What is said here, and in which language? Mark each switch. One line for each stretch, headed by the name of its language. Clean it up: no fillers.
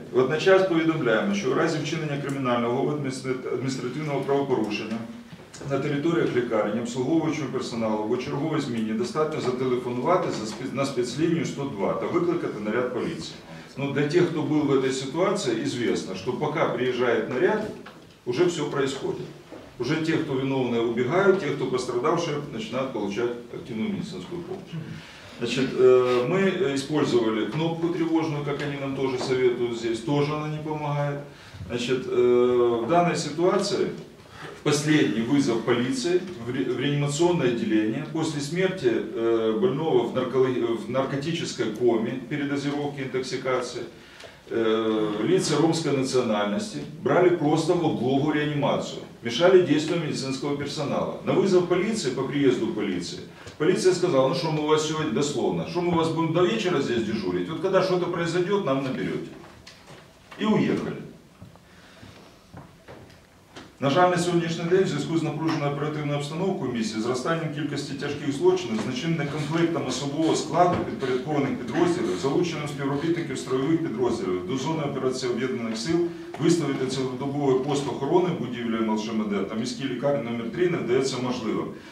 Ukrainian: Водночас повідомляємо, що у разі вчинення кримінального адміністративного правопорушення на територіях лікарні обслуговуючого персоналу або черговій зміні достатньо зателефонувати на спецлінію 102 та викликати наряд поліції. Ну, для тих, хто був в цій ситуації, звісно, що поки приїжджає наряд,
Russian: уже все происходит. Уже те, кто виновные, убегают, те, кто пострадавшие, начинают получать активную медицинскую помощь. Значит, мы использовали кнопку тревожную, как они нам тоже советуют здесь, тоже она не помогает. Значит, в данной ситуации последний вызов полиции в реанимационное отделение после смерти больного в наркотической коме, передозировки, интоксикации. Лица ромской национальности брали просто в облогу реанимацию, мешали действиям медицинского персонала. На вызов полиции, по приезду полиции, полиция сказала, ну что мы у вас сегодня, дословно, что мы у вас будем до вечера здесь дежурить, вот когда что-то произойдет, нам наберете. И уехали.
Ukrainian: На жаль, на сьогоднішній день, в зв'язку з напруженою оперативною обстановкою в місті, зростанням кількості тяжких злочинів, значним конфліктом особового складу підпорядкованих підрозділів, залученням співробітників строєвих підрозділів до зони операції об'єднаних сил, виставити цілодобовий пост охорони будівлі МЛШМД та міській лікарні номер 3 не вдається можливим.